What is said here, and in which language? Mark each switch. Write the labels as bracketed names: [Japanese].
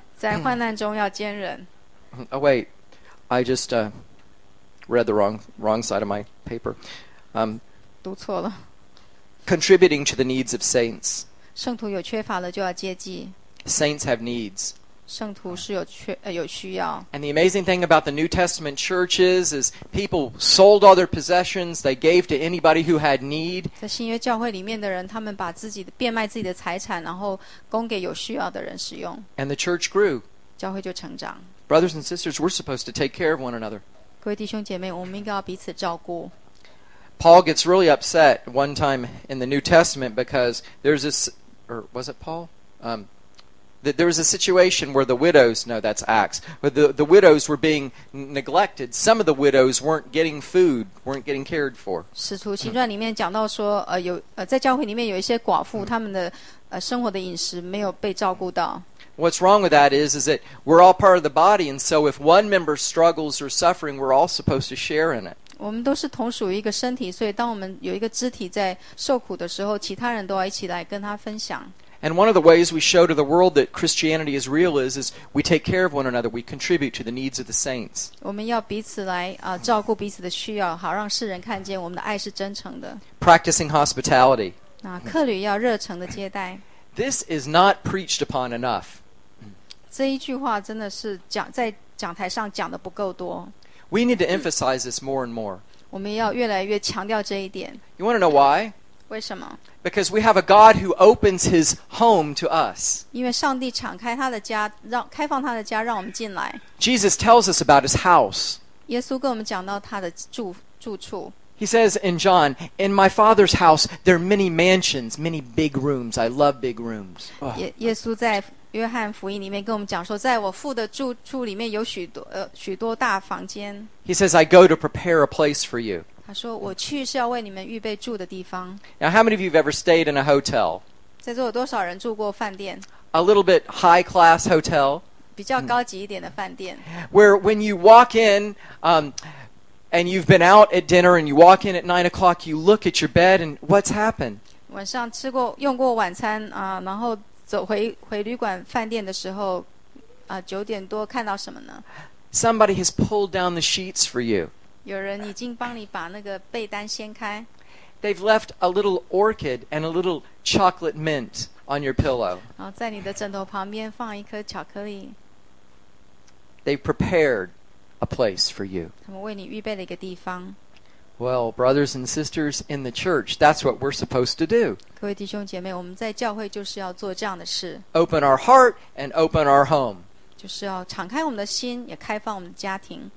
[Chinese] 在患难中要坚忍。 [English] Oh wait, I just read the wrong side of my paper. [Chinese] 读错了。 [English] Contributing to the needs of saints. [Chinese] 圣徒有缺乏了就要接济。 [English] Saints have needs. [Chinese] 圣徒是有缺有需要。 [English] And the amazing thing about the New Testament churches is people sold all their possessions, they gave to anybody who had need. [Chinese] 在新约教会里面的人，他们把自己的变卖自己的财产，然后供给有需要的人使用。 [English] And the church grew. [Chinese] 教会就成长。 [English] Brothers and sisters, we're supposed to take care of one another. [Chinese] 各位弟兄姐妹，我们应该要彼此照顾。 [English] Paul gets really upset one time in the New Testament because there's this, or was it Paul? There was a situation where the widows, no, that's Acts, but the widows were being neglected. Some of the widows weren't getting food, weren't getting cared for. [Chinese] 使徒行传里面讲到说，有在教会里面有一些寡妇，他们的生活的饮食没有被照顾到。 [English] What's wrong with that is that we're all part of the body, and so if one member struggles or suffering, we're all supposed to share in it. [Chinese] 我们都是同属于一个身体，所以当我们有一个肢体在受苦的时候，其他人都要一起来跟他分享。 [English] And one of the ways we show to the world that Christianity is real is we take care of one another, we contribute to the needs of the saints. [Chinese] 我们要彼此来照顾彼此的需要，好让世人看见我们的爱是真诚的。 [English] Practicing hospitality. [Chinese] 那客旅要热诚的接待。 [English] This is not preached upon enough. [Chinese] 这一句话真的是讲在讲台上讲的不够多。 [English] We need to emphasize this more and more. [Chinese] 我们要越来越强调这一点。 [English] You want to know why? [Chinese] 为什么？ [English] Because we have a God who opens His home to us. [Chinese] 因为上帝敞开他的家，让开放他的家，让我们进来。 [English] Jesus tells us about His house. [Chinese] 耶稣跟我们讲到他的住处。 [English] He says in John, "In my Father's house there are many mansions, many big rooms. I love big rooms." [Chinese] 耶稣在约翰福音里面跟我们讲说，在我父的住处里面有许多大房间。 [English] He says, "I go to prepare a place for you." [Chinese] 他说我去是要为你们预备住的地方。 [English] Now, how many of you have ever stayed in a hotel? [Chinese] 在座有多少人住过饭店 [English] ？A little bit high-class hotel. [Chinese] 比较高级一点的饭店。 [English] Where when you walk in, and you've been out at dinner, and you walk in at 9 o'clock, you look at your bed, and what's happened? [Chinese] 晚上吃过用过晚餐然后。走回旅馆饭店的时候九点多看到什么呢 [English] Somebody has pulled down the sheets for you. [Chinese] 有人已经帮你把那个被单掀开。 [English] they've left a little orchid and a little chocolate mint on your pillow. [Chinese] 在你的枕头旁边放一颗巧克力。 [English] They prepared a place for you. [Chinese] 他们为你预备了一个地方。 [English] Well, brothers and sisters in the church, that's what we're supposed to do. [Chinese] 各位弟兄姐妹，我们在教会就是要做这样的事。 [English] Open our heart and open our home. [Chinese] 就是要敞开我们的心，也开放我们的家庭。